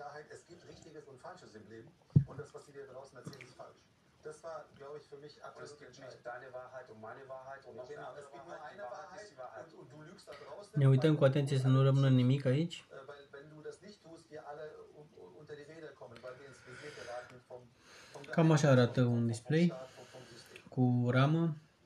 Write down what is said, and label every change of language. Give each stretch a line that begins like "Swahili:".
German: Es gibt Richtiges und Falsches im Leben und das, was sie dir draußen erzählen, ist falsch. Das war, glaube ich, für mich absolut entscheidend. Es gibt nicht deine Wahrheit und meine Wahrheit und noch genau, eine es gibt nur eine Wahrheit, die Wahrheit. Und du lügst da draußen.
Romanian: Ne uităm cu atenție să nu rămână nimic aici.
German: Weil wenn du das nicht tust, wir alle unter die Räder kommen, weil wir ins Visier geraten vom
Romanian: Cam așa arată un display cu ramă.